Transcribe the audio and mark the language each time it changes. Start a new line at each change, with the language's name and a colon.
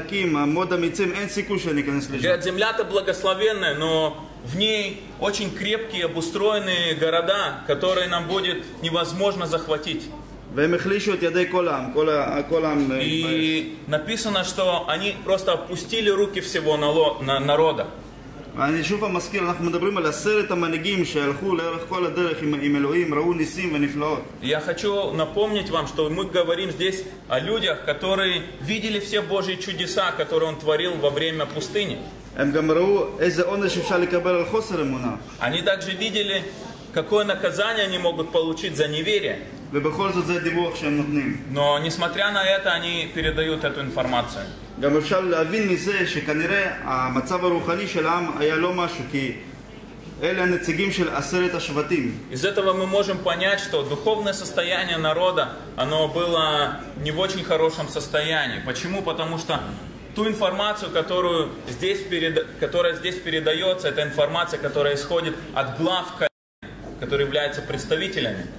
Russian: Говорят, земля-то благословенная, но в ней очень крепкие, обустроенные города, которые нам будет невозможно захватить. И написано, что они просто опустили руки всего народа.
Hebrew: אני שוב המזכיר, אנחנו מדברים על עשרת המנהיגים שהלכו לאורך כל הדרך עם אלוהים, ראו ניסים ונפלאות.
Russian: Я хочу напомнить вам, что мы говорим здесь о людях, которые видели все Божьи чудеса, которые Он творил во время пустыни.
Hebrew: הם גם ראו איזה עונש אפשר לקבל על חוסר אמונה.
Russian: Они также видели, какое наказание они могут получить за неверие.
Hebrew: ובכל זאת זה דיווח שהם נותנים.
Russian: Но несмотря на это, они передают эту информацию.
Hebrew: גם אפשר להבין מזה שכנראה המצב הרוחני של העם היה לא משהו כי
Russian: Из этого мы можем понять, что духовное состояние народа, оно было не в очень хорошем состоянии. Почему? Потому что ту информацию, которую здесь которая здесь передается, это информация, которая исходит от глав колен, которые являются представителями.